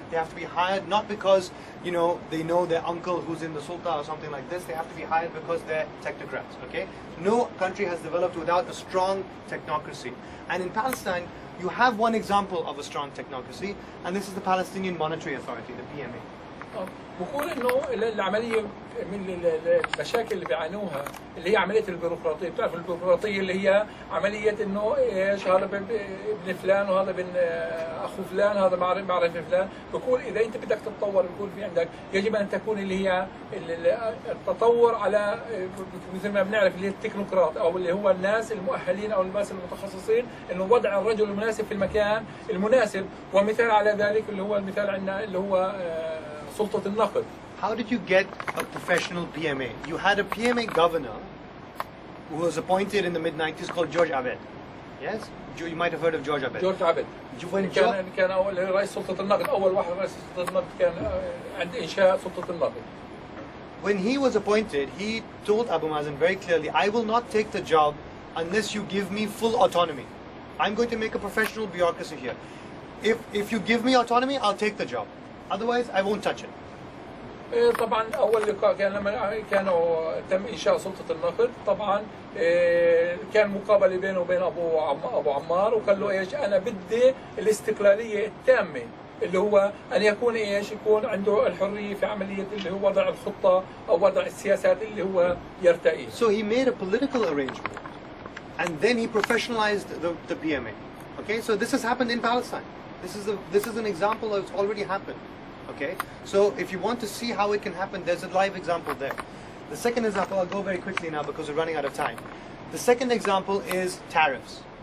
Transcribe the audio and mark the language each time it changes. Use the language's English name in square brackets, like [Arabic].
[English] They have to be hired not because you know they know their uncle who's in the sultan or something like this. They have to be hired because they're technocrats. Okay? No country has developed without a strong technocracy, and in Palestine, you have one example of a strong technocracy, and this is the Palestinian Monetary Authority, the PMA. [Arabic] بقول إنه العملية من المشاكل اللي بيعانوها اللي هي عملية البيروقراطية، بتعرف البيروقراطية اللي هي عملية إنه إيش هذا ابن فلان وهذا ابن أخو فلان هذا معرف فلان. بقول إذا أنت بدك تتطور بقول في عندك يجب أن تكون اللي هي التطور على مثل ما بنعرف اللي هي التكنوقراط أو اللي هو الناس المؤهلين أو الناس المتخصصين، إنه وضع الرجل المناسب في المكان المناسب. ومثال على ذلك اللي هو المثال عندنا اللي هو سلطة النقد. [English] How did you get a professional PMA? You had a PMA governor who was appointed in the mid 90s called George Abed. Yes? You might have heard of George Abed. George Abed. You went to [Arabic] كان اول رئيس سلطة النقد، اول واحد رئيس سلطة النقد كان عند انشاء سلطة النقد. [English] When he was appointed, he told Abu Mazen very clearly, I will not take the job unless you give me full autonomy. I'm going to make a professional bureaucracy here. If you give me autonomy, I'll take the job. Otherwise, I won't touch it. [Arabic] طبعا اول لقاء كان لما كانوا تم انشاء سلطه النقد، طبعا كان مقابله بينه وبين ابو عمار، وقال له ايش انا بدي الاستقلاليه التامه اللي هو ان يكون ايش يكون عنده الحريه في عمليه اللي هو وضع الخطه او وضع السياسات اللي هو يرتئي. [English] So he made a political arrangement and then he professionalized the PMA. Okay, so this has happened in Palestine. This is an example that's already happened. Okay, so if you want to see how it can happen, there's a live example there. The second example, I'll go very quickly now because we're running out of time. The second example is tariffs.